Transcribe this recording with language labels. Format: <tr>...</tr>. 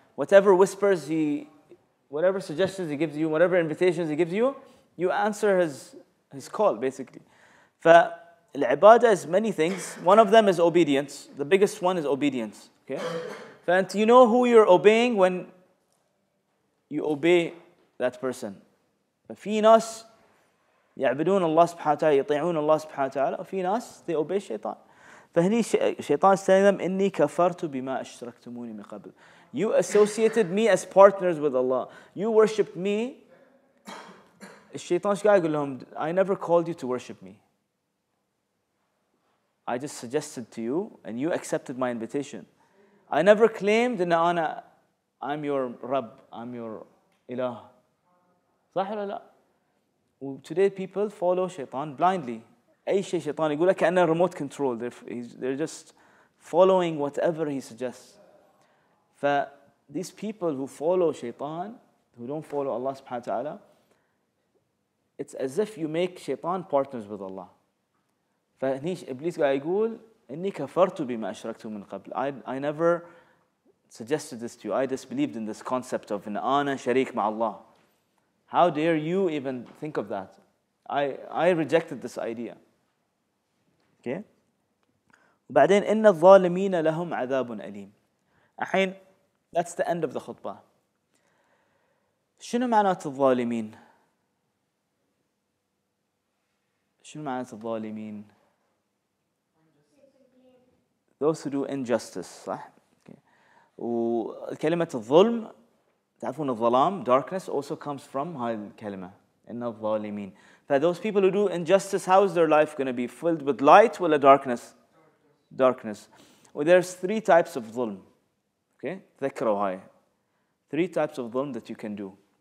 <en>Whatever whispers he, whatever suggestions he gives you, whatever invitations he gives you, you answer his call basically. فالعبادة is many things. One of them is obedience. The biggest one is obedience. Okay. And you know who you're obeying when you obey that person.</en> <ar>ففي ناس يعبدون الله سبحانه وتعالى, يطيعون الله سبحانه وتعالى, وفي ناس</ar> <en>they obey</en> <ar>الشيطان. فهني الشيطان</ar> <en>is telling them,</en> <ar>إني كفرت بما أشركتموني من قبل.</ar> <en>You associated me as partners with Allah. You worshipped me.</en> <ar>الشيطان شكاية يقول لهم,</ar> <en>I never called you to worship me. I just suggested to you and you accepted my invitation. I never claimed that I'm your Rabb, I'm your Ilah.</en> <ar>صح ولا لا؟</ar> <en>Today people follow Shaitan blindly.</en> <ar>أي شيء شيطان يقول لك كأنه remote control.</ar> <en>They're just following whatever he suggests. These people who follow Shaitan, who don't follow Allah subhanahu wa ta'ala, it's as if you make Shaitan partners with Allah.</en> <ar>فهنيش إبليس قاعد يقول إني كفرت بما أشركتم من قبل.</ar> <en>I never suggested this to you. I disbelieved in this concept of</en> <ar>إن أنا شريك مع الله.</ar> <en>How dare you even think of that? I rejected this idea. Okay.</en> <ar>وبعدين إن الظالمين لهم عذاب أليم. الحين</ar> <en>that's the end of the khutbah.</en> <ar>شنو معنات الظالمين؟ شنو معنات الظالمين؟</ar> <en>Those who do injustice,</en> <ar>صح؟ وكلمة الظلم, تعرفون الظلام,</ar> <en>darkness also comes from</en> <ar>هاي الكلمة, إن الظالمين.</ar> <en>For those people who do injustice, how is their life going to be filled with light or darkness? Darkness. Well, there's three types of ظلم. Okay,</en> <ar>ذكروا هاي.</ar> <en>Three types of ظلم that you can do.</en>